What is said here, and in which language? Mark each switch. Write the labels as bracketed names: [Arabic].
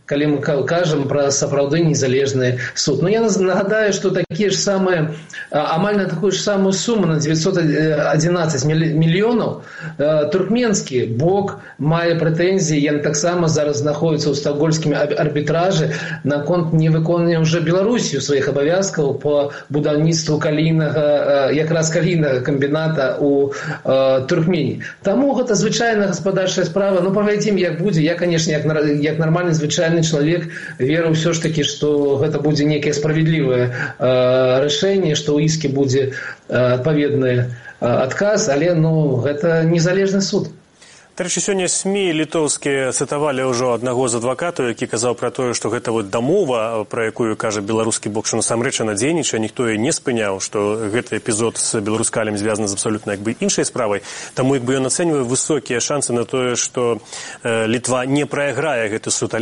[Belarusian] калі мы кажам пра сапраўды незалежны суд. Ну, я нагадаю, што такія ж самыя, амаль на такую ж самую суму, на 911 мільёнаў, туркменскі бок мае прэтэнзіі, яны таксама зараз знаходзяцца ў стакгольмскім арбітражы на конт невыконання ўжо Беларусію сваіх абавязкаў па будаўніцтву калійнага, якраз калійнага камбіната ў Туркмені. Таму гэта звычайна гаспадарчая справа, ну, паглядзім, як будзе, я, канешне, як [Russian] нормальный звычайный человек верю все ж таки, что это будет некое справедливое решение, что у иски будет отповедный отказ, але, ну, это незалежный суд. [Belarusian] Дарэчы, сёння СМІ літоўскія цытавалі ўжо аднаго з адвакатаў, які казаў пра тое, што гэта вот дамова, пра якую кажа беларускі бок, што насамрэч яна дзейнічае, ніхто яе не спыняў, што гэты эпізод з беларускалем звязаны з абсалютна як бы іншай справай, таму як бы ён ацэньвае высокія шансы на тое, што Літва не прайграе гэты суд.